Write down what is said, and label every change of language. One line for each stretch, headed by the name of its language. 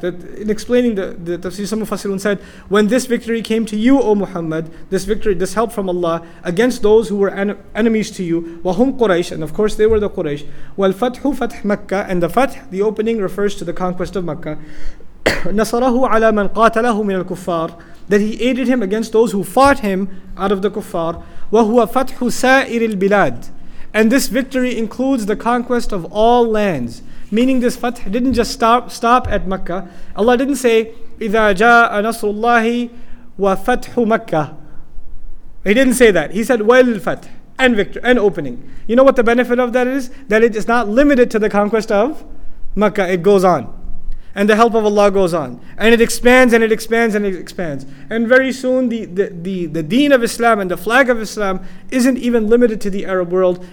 English: That in explaining the tafsir, some of Fasilun said, when this victory came to you, O Muhammad, this victory, this help from Allah, against those who were enemies to you,
Arabic: وَهُمْ قُرَيْشٍ,
English: and of course they were the Quraysh,
Arabic: وَالْفَتْحُ فَتْحْ مَكَّةٍ,
English: and the fatḥ, the opening, refers to the conquest of Mecca,
Arabic: نَصَرَهُ عَلَى مَنْ قَاتَلَهُ مِنَ الْكُفَّارِ,
English: that he aided him against those who fought him out of the kuffar,
Arabic: وَهُوَ فَتْحُ سَائِرِ الْبِلَادِ,
English: and this victory includes the conquest of all lands. Meaning this fatḥ didn't just stop at Mecca. Allah didn't say,
Arabic: إِذَا جَاءَ نَصْرُ اللَّهِ وَفَتْحُ مَكَّةِ.
English: He didn't say that. He said, وَالْفَتْحُ, and victory, and opening. You know what the benefit of that is? That it is not limited to the conquest of Mecca. It goes on. And the help of Allah goes on. And it expands and it expands and it expands. And very soon the deen of Islam and the flag of Islam isn't even limited to the Arab world.